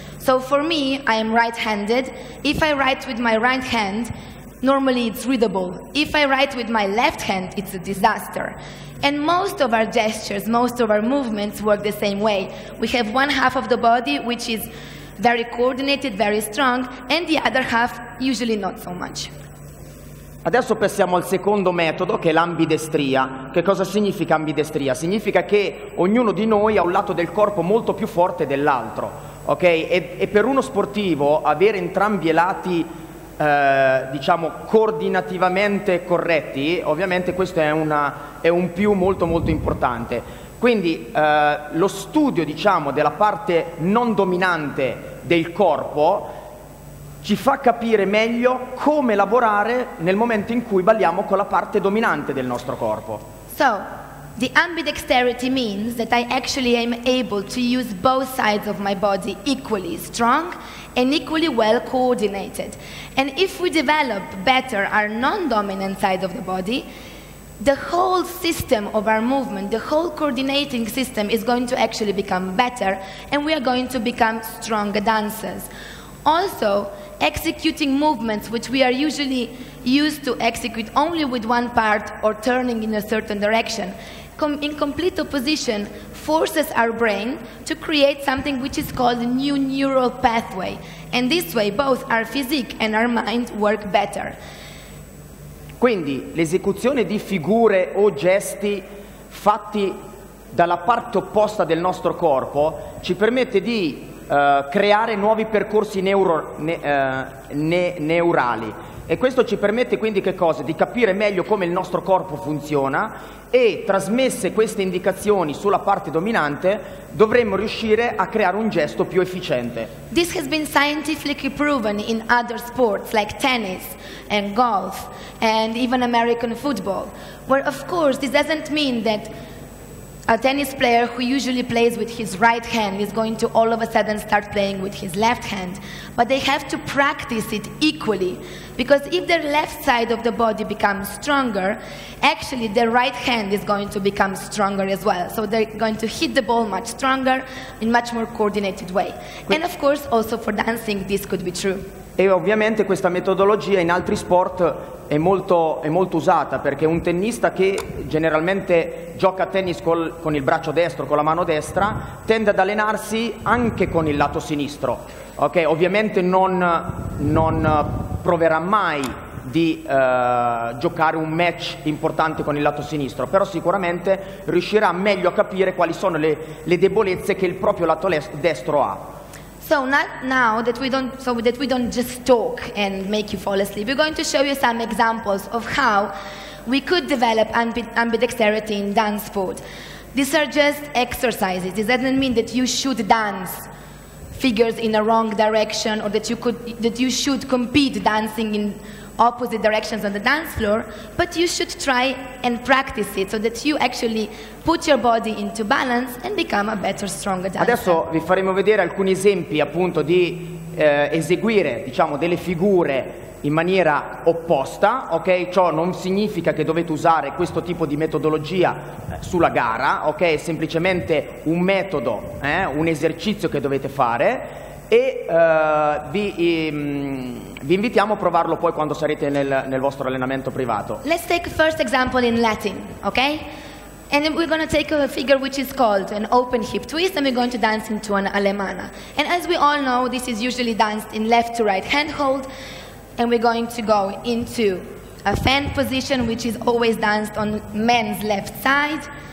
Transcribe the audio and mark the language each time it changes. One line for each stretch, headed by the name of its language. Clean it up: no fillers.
English: So for me, I am right-handed. If I write with my right hand, normally it's readable. If I write with my left hand, it's a disaster. And most of our gestures, most of our movements work the same way. We have one half of the body which is very coordinated, very strong, and the other half usually not so much.
Italian: Adesso passiamo al secondo metodo, che è l'ambidestria. Che cosa significa ambidestria? Significa che ognuno di noi ha un lato del corpo molto più forte dell'altro, ok? E per uno sportivo avere entrambi i lati, diciamo, coordinativamente corretti, ovviamente questo è un più molto molto importante. Quindi lo studio, diciamo, della parte non dominante del corpo ci fa capire meglio come lavorare nel momento in cui balliamo con la parte dominante del nostro corpo.
English: So, the ambidexterity means that I actually am able to use both sides of my body equally strong and equally well coordinated. And if we develop better our non-dominant side of the body, the whole system of our movement, the whole coordinating system is going to actually become better and we are going to become stronger dancers. Also, executing movements which we are usually used to execute only with one part or turning in a certain direction, in complete opposition, forces our brain to create something which is called a new neural pathway. And this way, both our physique and our mind work better.
Italian: Quindi l'esecuzione di figure o gesti fatti dalla parte opposta del nostro corpo ci permette di creare nuovi percorsi neurali, e questo ci permette quindi che cosa? Di capire meglio come il nostro corpo funziona, e trasmesse queste indicazioni sulla parte dominante dovremmo riuscire a creare un gesto più efficiente.
English: This has been scientifically proven in other sports like tennis and golf and even American football, where of course this doesn't mean that a tennis player who usually plays with his right hand is going to all of a sudden start playing with his left hand. But they have to practice it equally, because if their left side of the body becomes stronger, actually their right hand is going to become stronger as well. So they're going to hit the ball much stronger in much more coordinated way. And of course, also for dancing, this could be true.
Italian: E ovviamente questa metodologia in altri sport è molto usata, perché un tennista che generalmente gioca a tennis con il braccio destro, con la mano destra, tende ad allenarsi anche con il lato sinistro. Ok, ovviamente non proverà mai di giocare un match importante con il lato sinistro, però sicuramente riuscirà meglio a capire quali sono le debolezze che il proprio lato destro ha.
English: So now that we don't just talk and make you fall asleep, we're going to show you some examples of how we could develop ambidexterity in dance sport. These are just exercises. This doesn't mean that you should dance figures in a wrong direction, or that you should compete dancing in opposite directions on the dance floor, but you should try and practice it so that you actually put your body into balance and become a better, stronger dancer.
Italian: Adesso vi faremo vedere alcuni esempi appunto di eseguire, diciamo, delle figure in maniera opposta, ok? Ciò non significa che dovete usare questo tipo di metodologia sulla gara, ok? È semplicemente un metodo, un esercizio che dovete fare. E vi invitiamo a provarlo poi quando sarete nel vostro allenamento privato.
English: Let's take first example in Latin, okay? And we're going to take a figure which is called an open hip twist, and we're going to dance into an alemana. And as we all know, this is usually danced in left to right hand hold, and we're going to go into a fan position, which is always danced on men's left side.